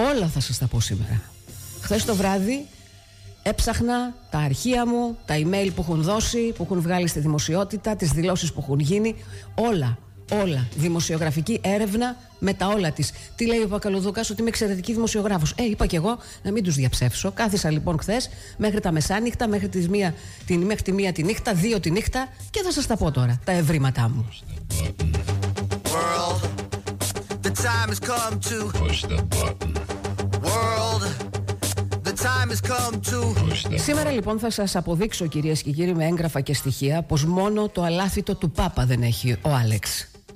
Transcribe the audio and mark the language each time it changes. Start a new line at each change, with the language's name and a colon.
Greek: Όλα θα σας τα πω σήμερα. Χθες το βράδυ έψαχνα τα αρχεία μου, τα email που έχουν δώσει, που έχουν βγάλει στη δημοσιότητα, τις δηλώσεις που έχουν γίνει, όλα. Όλα, δημοσιογραφική έρευνα με τα όλα της. Τι λέει ο Πακαλουδούκας, ότι είμαι εξαιρετική δημοσιογράφος. Είπα και εγώ να μην τους διαψεύσω. Κάθισα λοιπόν χθες μέχρι τα μεσάνυχτα, μέχρι τη μία τη νύχτα, δύο τη νύχτα, και θα σας τα πω τώρα τα ευρήματά μου.
English: World, the time has come to push the button. World, the time has come to push the button.
Greek: Σήμερα λοιπόν θα σας αποδείξω, κυρίες και κύριοι, με έγγραφα και στοιχεία, πως μόνο το αλάθητο του Πάπα δεν έχει ο Άλεξ.